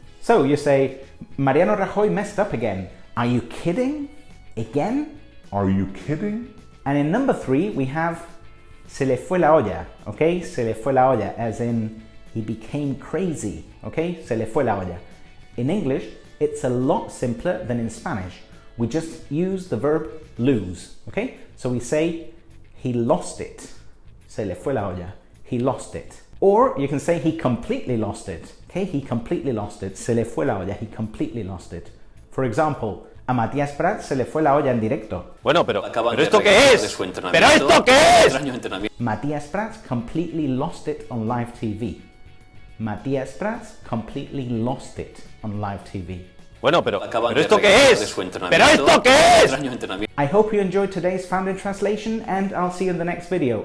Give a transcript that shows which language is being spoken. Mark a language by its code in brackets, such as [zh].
[en] So you say, Mariano Rajoy messed up again. Are you kidding? Again? Are you kidding? And in number three, we have, [es] se le fue la olla, [en] okay? [es] Se le fue la olla, [en] as in, he became crazy, okay? Se le fue la olla. In English, it's a lot simpler than in Spanish. We just use the verb lose, okay? So we say, he lost it. [es] Se le fue la olla. [en] He lost it. Or you can say he completely lost it. Okay, he completely lost it. [es] Se le fue la olla. [en] He completely lost it. For example, [es] a Matías Prats se le fue la olla en directo. Bueno, pero ¿esto qué es? ¿Pero esto qué es? [en] Matías Prats completely lost it on live TV. Matías Prats completely lost it on live TV. [es] Bueno, pero ¿esto qué es? ¿Pero esto qué es? [en] I hope you enjoyed today's found in translation and I'll see you in the next video.